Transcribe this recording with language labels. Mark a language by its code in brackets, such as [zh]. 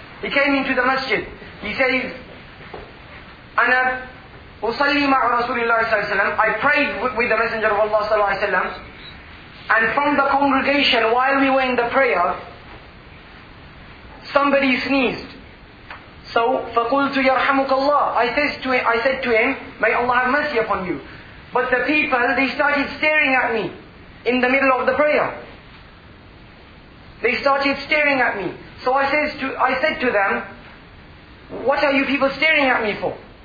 [en] He came into the masjid. He says, [ar] "Ana usalli ma'a Rasulullah sallallahu alayhi wa sallam." [en] I prayed with the Messenger of Allah sallallahu alayhi wa sallam. And from the congregation, while we were in the prayer, somebody sneezed. [ar] So, فَقُلْتُ يَرْحَمُكَ اللَّهُ. [en] I said to him, "May Allah have mercy upon you." But the people, they started staring at me in the middle of the prayer. They started staring at me. So I said to them, "What are you people staring at me for?"